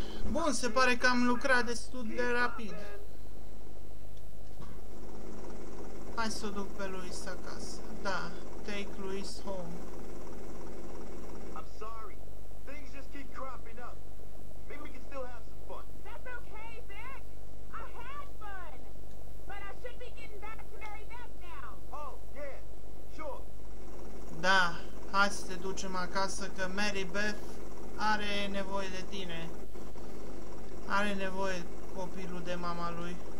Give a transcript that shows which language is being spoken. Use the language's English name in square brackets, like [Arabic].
[Romanian] Bun, se pare că am lucrat destul de rapid. Hai să o duc pe Luis acasă. [English] Da, take Luis home. I'm sorry. Things just keep cropping up. Maybe we can still have some fun. That's okay, Vic. I had fun. But I should be getting back to Mary Beth now. Oh, yeah. Sure. [Romanian] Da, hai să te ducem acasă că Mary Beth are nevoie de tine. Are nevoie copilul de mama lui.